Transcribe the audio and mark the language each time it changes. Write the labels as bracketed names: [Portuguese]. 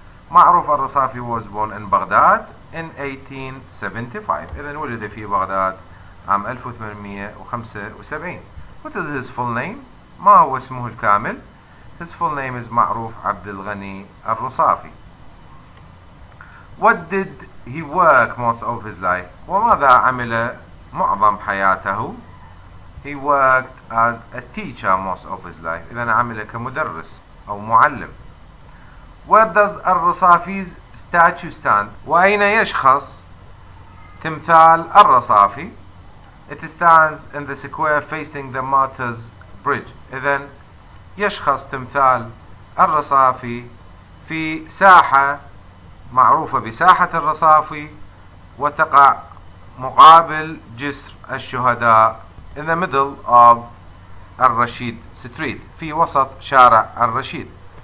[English] معروف الرصافي was born in Baghdad in 1875. [Arabic] إذن ولد في بغداد عام 1875. [English] What is his full name? [Arabic] ما هو اسمه الكامل? [English] His full name is معروف عبد الغني الرصافي. What did he work most of his life? [Arabic] وماذا عمل معظم حياته؟ [English] He worked as a teacher most of his life. [Arabic] إذن عمل كمدرس أو معلم. [English] Where does الرصافي's statue stand? [Arabic] وأين يشخص تمثال الرصافي? [English] It stands in the square facing the Martyrs Bridge. [Arabic] إذن يشخص تمثال الرصافي في ساحة معروفة بساحة الرصافي وتقع مقابل جسر الشهداء. [English] In the middle of Al-Rashid Street [Arabic] في وسط شارع الرشيد.